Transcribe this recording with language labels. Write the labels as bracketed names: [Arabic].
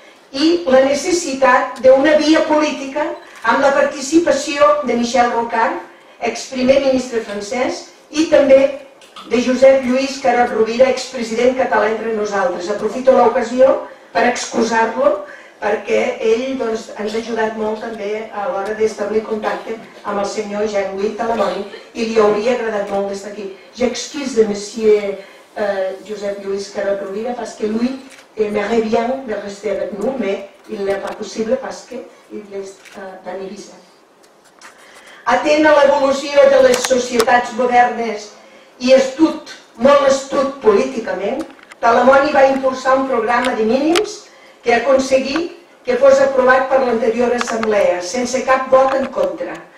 [Catalan] i la necessitat d'una via política amb la participació de Michel Rocard, exprimer ministre francès, i també de Josep Lluís Carod Rovira, expresident català entre nosaltres. Aprofito l'ocasió per excusar-lo, perquè ell doncs, ens ha ajudat molt també a l'hora d'establir contacte amb el senyor Jean-Louis Talamoni i li hauria agradat molt des d'aquí. [French] J'excuse de monsieur Josep Lluís Carod Rovira, parce que lui aimerait bien de rester avec nous, mais il n'est pas possible parce que il est en Ibiza. [Catalan] Atent a l'evolució de les societats modernes i astut, molt astut políticament, Talamoni va impulsar un programa de mínims que aconseguí que fos aprovat per l'anterior assemblea, sense cap vot en contra,